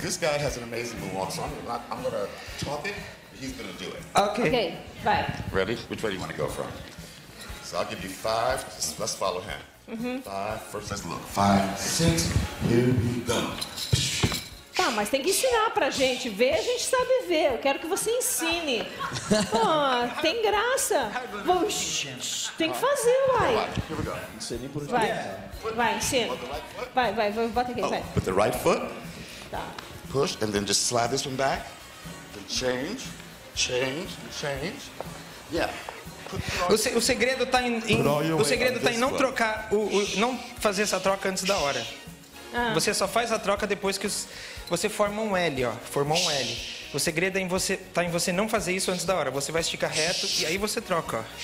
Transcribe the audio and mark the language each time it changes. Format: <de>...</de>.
<en>This guy has an amazing moonwalk, so I'm gonna talk it, he's gonna do it.</en> <pt>Okay. Okay, vai.</pt> <en>Ready? Which way do you want to go from? So I'll give you five, let's follow him. Mm-hmm. Five, first let's look. Five, six, here we go.</en> <pt>Tá, mas tem que ensinar pra gente. Ver, a gente sabe ver. Eu quero que você ensine. Oh, tem graça. Tem que fazer, uai. Não sei nem por onde. Vai, vai, ensina. Vai, vai, vai, bota aqui, vai.</pt> <en>With the right foot.</en> <pt>Tá.</pt> <en>Push, and then just slide this one back. Then change, change, change. Yeah.</en> <pt>O segredo tá em não trocar, não fazer essa troca antes da hora. Você só faz a troca depois que você forma um L, ó. Formou um L. O segredo é em você não fazer isso antes da hora. Você vai esticar reto e aí você troca, ó.</pt>